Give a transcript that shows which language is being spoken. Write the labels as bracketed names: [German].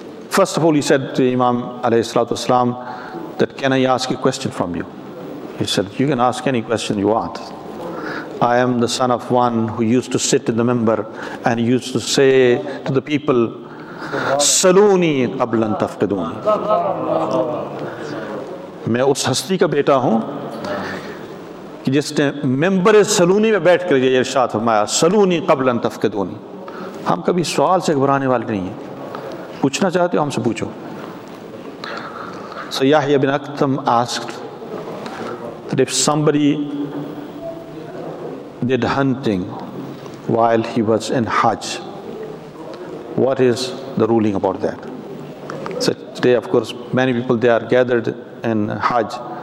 [English] First of all, he said to Imam alayhi salatu wasalam that, can I ask a question from you? He said, you can ask any question you want. I am the son of one who used to sit in the minbar and used to say to the people, [Arabic] سلونی قبل ان تفقدونی، [Urdu] میں اس ہستی کا بیٹا ہوں کہ جس نے ممبر سلونی میں بیٹھ کر یہ ارشاد فرمایا سلونی قبل ان تفقدونی. ہم کبھی سوال سے گھبرانے والے نہیں ہیں، پوچھنا چاہتے ہو ہم سے پوچھو. [English] سیاح ابن اکتم asked that if somebody did hunting while he was in Hajj, what is the ruling about that? So today, of course, many people, they are gathered in Hajj.